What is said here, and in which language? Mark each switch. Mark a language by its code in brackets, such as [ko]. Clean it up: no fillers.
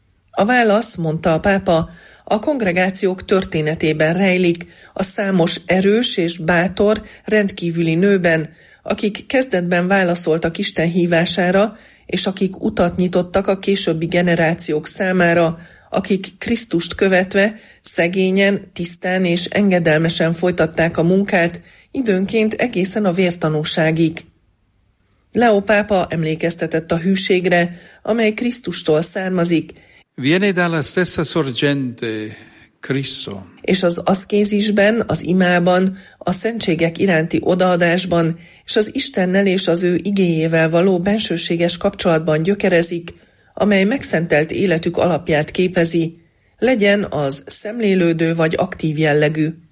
[hu] A válasz, mondta a pápa, a kongregációk történetében rejlik, a számos erős és bátor, rendkívüli nőben, akik kezdetben válaszoltak Isten hívására, és akik utat nyitottak a későbbi generációk számára, akik Krisztust követve szegényen, tisztán és engedelmesen folytatták a munkát, időnként egészen a vértanúságig. Leó pápa emlékeztetett a hűségre, amely Krisztustól származik, [it] viene dalla stessa sorgente, Cristo. [hu] És az aszkézisben, az imában, a szentségek iránti odaadásban, és az Istennel és az ő igéjével való bensőséges kapcsolatban gyökerezik, amely megszentelt életük alapját képezi, legyen az szemlélődő vagy aktív jellegű.